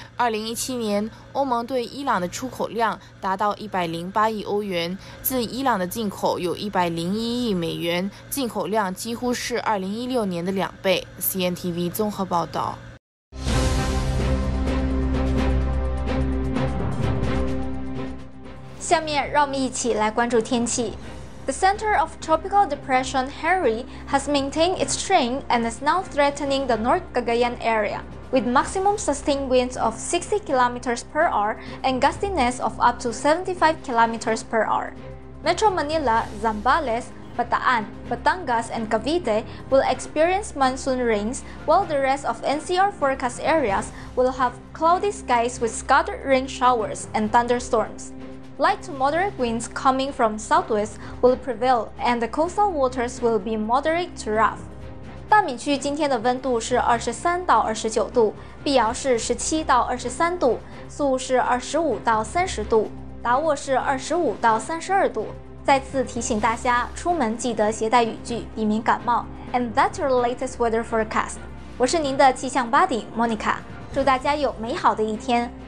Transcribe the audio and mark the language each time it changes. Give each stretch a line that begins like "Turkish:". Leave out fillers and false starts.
Chinese: 2017年，欧盟对伊朗的出口量达到108亿欧元，自伊朗的进口有101亿美元，进口量几乎是2016年的两倍。 CNTV 综合报道。下面让我们一起来关注天气。
English: The center of tropical depression Harry has maintained its strength and is now threatening the North Cagayan area. With maximum sustained winds of 60 km per hour and gustiness of up to 75 km per hour. Metro Manila, Zambales, Bataan, Batangas, and Cavite will experience monsoon rains, while the rest of NCR forecast areas will have cloudy skies with scattered rain showers and thunderstorms. Light to moderate winds coming from southwest will prevail, and the coastal waters will be moderate to rough.
Chinese: 大米区今天的温度是23到29度，碧瑶是17到23度，宿雾是25到30度，达沃是25到32度。再次提醒大家，出门记得携带雨具，避免感冒。
English: And that's your latest weather forecast.
Chinese: 我是您的气象 buddy Monica， 祝大家有美好的一天。